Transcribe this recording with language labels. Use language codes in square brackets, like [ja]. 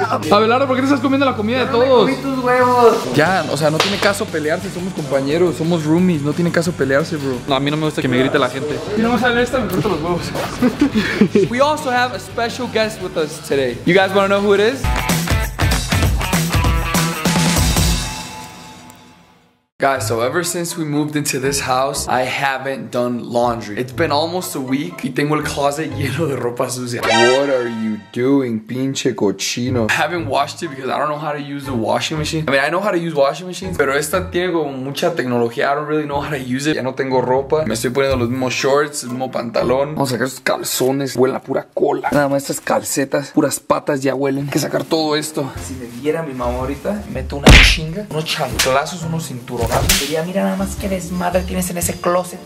[es] Abelardo, ¿por qué no estás comiendo la comida de todos? Comí tus huevos. Ya, o sea, no tiene caso pelearse, somos compañeros, somos roomies, no tiene caso pelearse, bro. No, a mí no me gusta que me grite la gente. Si no me sale esta, me corto los huevos. [en] We also have a special guest with us today. You guys want to know who it is? Guys, so ever since we moved into this house, I haven't done laundry. It's been almost a week [es] y tengo el closet lleno de ropa sucia. [en] What are you doing, [es] pinche cochino? [en] I haven't washed it because I don't know how to use the washing machine. I mean, I know how to use washing machines, [es] pero esta tiene como mucha tecnología. [en] I don't really know how to use it. [es] Ya no tengo ropa. Me estoy poniendo los mismos shorts, el mismo pantalón. Vamos a sacar estos calzones. Huelen a pura cola. Nada más estas calcetas, puras patas ya huelen. Hay que sacar todo esto. Si me viera mi mamá ahorita, meto una chinga, unos chanclazos, unos cinturones. Ya mira nada más qué desmadre tienes en ese closet.